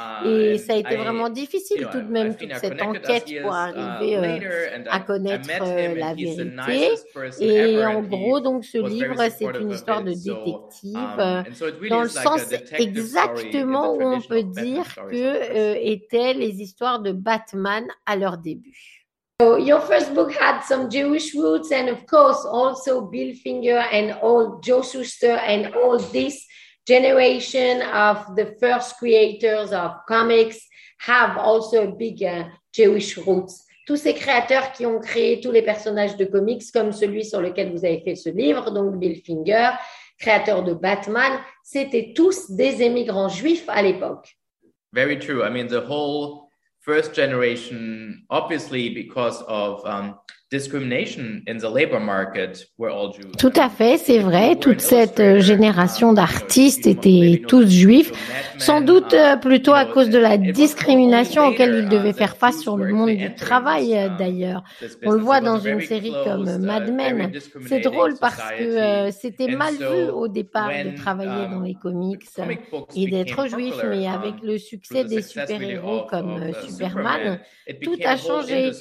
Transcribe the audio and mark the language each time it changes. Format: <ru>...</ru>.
<fr>Et ça a été vraiment difficile,</fr> <en>you know,</en> <fr>tout de même toute cette enquête pour arriver à connaître la vérité. Et en gros, donc, ce livre, c'est une histoire de détective dans le sens exactement où on peut dire que étaient les histoires de Batman à leur début.</fr> <en>So your first book had some Jewish roots, and of course also Bill Finger and all Joe Shuster and all this generation of the first creators of comics have also a big Jewish Roots.</en> <fr>Tous ces créateurs qui ont créé tous les personnages de comics, comme celui sur lequel vous avez fait ce livre, donc Bill Finger, créateur de Batman, c'était tous des émigrants juifs à l'époque.</fr> <en>Very true. I mean, the whole first generation, obviously because of discrimination in the labor market, were all Jews.</en> <fr>Tout à fait, c'est vrai. Toute cette génération d'artistes étaient tous juifs, sans doute plutôt à cause de la discrimination auquel ils devaient faire face sur le monde du travail, d'ailleurs. On le voit dans une série comme Mad Men. C'est drôle parce que c'était mal vu au départ de travailler dans les comics et d'être juif, mais avec le succès des super-héros comme Superman, tout a changé.</fr>